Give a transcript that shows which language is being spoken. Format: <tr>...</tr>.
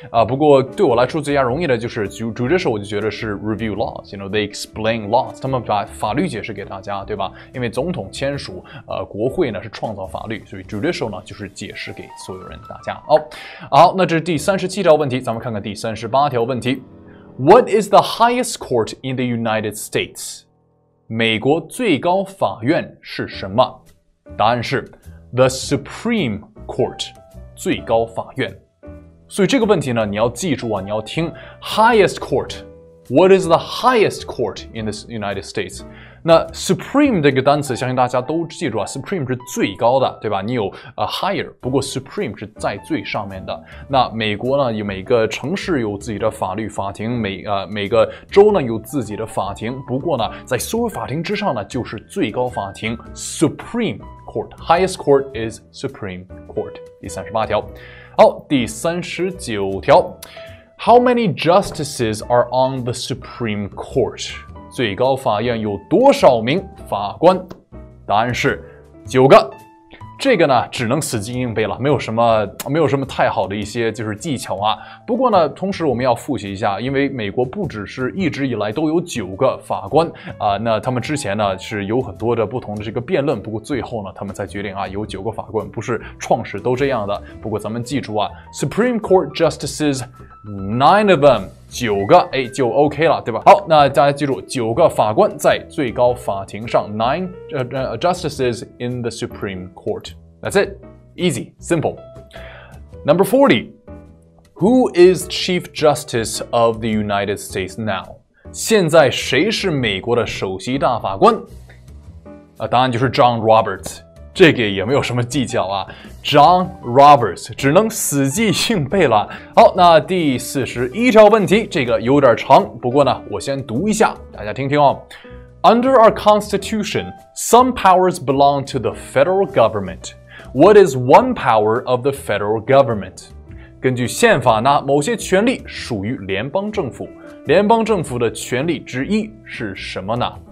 <zh>不过对我来说最加容易的就是 judicial, 我就觉得是</zh> <en>review laws, you know, they explain laws,</en> <zh>他们把法律解释给大家，对吧？因为总统签署国会呢是创造法律，所以 judicial 呢就是解释给所有人大家。好，那这是第37条问题，咱们看看第38条问题。</zh> <en>What is the highest court in the United States?</en> <zh>美国最高法院是什么？答案是</zh> <en>The Supreme Court,</en> <zh>最高法院。所以这个问题呢，你要记住啊，你要听 highest court,</zh> <en>What is the highest court in the United States?</en> <zh>那 supreme 这个单词相信大家都记住啊， supreme 是最高的，对吧？你有higher, 不过 supreme 是在最上面的。那美国呢，有每个城市有自己的法律法庭，每个州呢有自己的法庭，不过呢在所有法庭之上呢就是最高法庭 supreme court,</zh> <en>highest court is supreme court,</en> <zh>第38条。好，第39条。</zh> <en>How many justices are on the supreme court?</en> <zh>最高法院有多少名法官？答案是九个。这个呢，只能死记硬背了，没有什么太好的一些就是技巧啊。不过呢，同时我们要复习一下，因为美国不只是一直以来都有九个法官啊、那他们之前呢是有很多的不同的这个辩论，不过最后呢，他们才决定啊有九个法官，不是创始都这样的。不过咱们记住啊 ，</zh> <en>Supreme Court justices nine of them。</en> <zh>九个，哎，就 OK 了，对吧？好，那大家记住，九个法官在最高法庭上 ，</zh> <en>nine justices in the Supreme Court. That's it, easy, simple. Number 40, who is Chief Justice of the United States now?</en> <zh>现在谁是美国的首席大法官？答案就是 John Roberts。这个也没有什么技巧啊 ，John Roberts 只能死记硬背了。好，那第41条问题，这个有点长，不过呢，我先读一下，大家听听哦。</zh> <en>Under our Constitution, some powers belong to the federal government. What is one power of the federal government?</en> <zh>根据宪法呢，某些权力属于联邦政府，联邦政府的权力之一是什么呢？</zh>